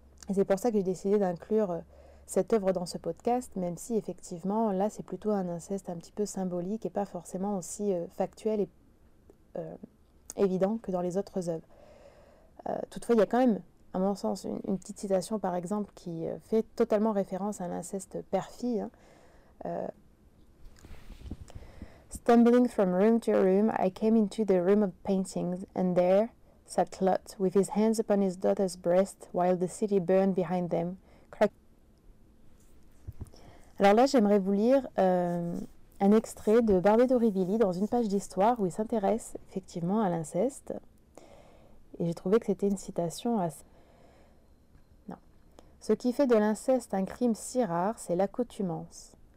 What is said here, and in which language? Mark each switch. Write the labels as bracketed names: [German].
[French] Et c'est pour ça que j'ai décidé d'inclure cette œuvre dans ce podcast, même si effectivement là c'est plutôt un inceste un petit peu symbolique et pas forcément aussi factuel et évident que dans les autres œuvres. Toutefois, il y a quand même À mon sens, une petite citation par exemple qui fait totalement référence à l'inceste père-fille. Hein. [English] Stumbling from room to room, I came into the room of paintings, and there sat Lot, with his hands upon his daughter's breast, while the city burned behind them. [French] Alors là, j'aimerais vous lire un extrait de Barbey d'Aurevilly dans une page d'histoire où il s'intéresse effectivement à l'inceste. Et j'ai trouvé que c'était une citation assez. Ce qui fait de l'inceste un crime si rare, c'est l'accoutumance.